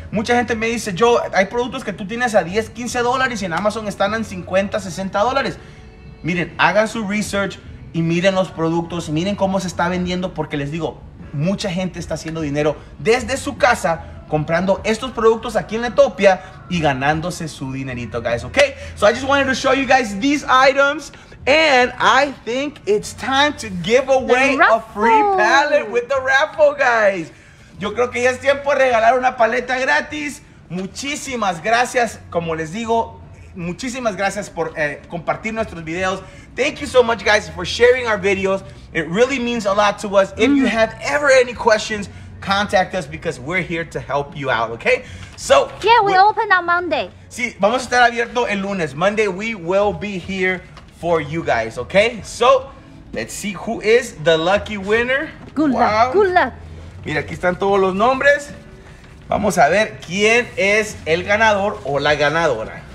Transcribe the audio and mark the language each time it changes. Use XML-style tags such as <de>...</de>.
<es>Mucha gente me dice, yo, hay productos que tú tienes a 10, 15 dólares y en Amazon están en 50, 60 dólares. Miren, hagan su research y miren los productos. Y miren cómo se está vendiendo porque les digo, mucha gente está haciendo dinero desde su casa comprando estos productos aquí en Etopia y ganándose su dinerito, guys, okay?</es> <en>So I just wanted to show you guys these items, and I think it's time to give away a free palette with the raffle, guys.</en> <es>Yo creo que ya es tiempo de regalar una paleta gratis. Muchísimas gracias, como les digo, muchísimas gracias por compartir nuestros videos.</es> <en>Thank you so much, guys, for sharing our videos. It really means a lot to us. If you have ever any questions, contact us because we're here to help you out, okay? So yeah, we open on Monday.</en> <es>Sí, vamos a estar abierto el lunes.</es> <en>Monday we will be here for you guys, okay? So let's see who is the lucky winner. Good luck.</en> <es>Mira, aquí están todos los nombres. Vamos a ver quién es el ganador o la ganadora.</es>